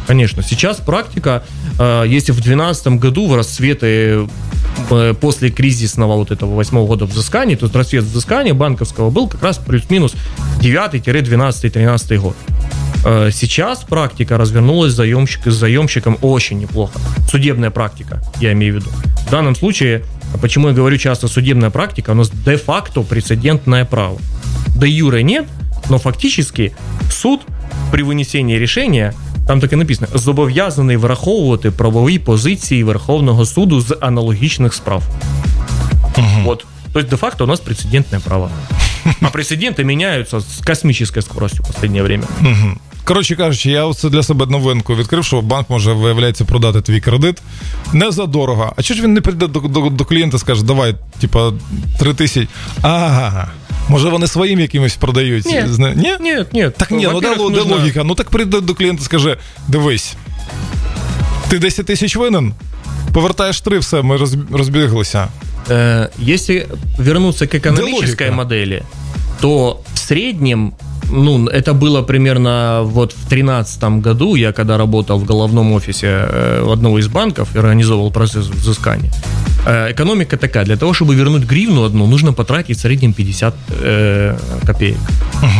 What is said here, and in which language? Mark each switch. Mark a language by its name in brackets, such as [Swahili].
[Russian] Конечно, сейчас практика, если в 2012 году в расцвете после кризисного вот этого 2008 года взыскания, то расцвет взыскания банковского был как раз плюс-минус 2009-2012-2013 год. Сейчас практика развернулась с заемщиком очень неплохо. Судебная практика, я имею в виду. В данном случае... Почему я говорю часто судебная практика, у нас де-факто прецедентное право. [Ukrainian] де юре нет, но фактически суд при винесенні рішення, там таке написано, зобов'язаний враховувати правові позиції Верховного суду з аналогічних справ. Угу. От. Тобто, де-факто, у нас прецедентне право. А прецеденти міняються з космічною скоростю в останнє время. Угу. Коротше кажучи, я це для себе новинку відкрив, що банк може, виявляється, продати твій кредит не задорого. А чого ж він не прийде до клієнта і скаже, давай, типа, 3 тисячі? Ага. Може, вони своїм якимось продають? Ні? Ні, ні. Так ні, ну де логіка? Ну так прийде до клієнта і скаже, дивись, ти 10 тисяч винен? Повертаєш 3, все, ми розбіглися. [Russian] Если вернуться к экономической модели, то в среднем, ну, это было примерно вот в 2013 году, я когда работал в головном офисе одного из банков и организовывал процесс взыскания. Экономика такая, для того, чтобы вернуть гривну одну, нужно потратить в среднем 50 копеек. Угу.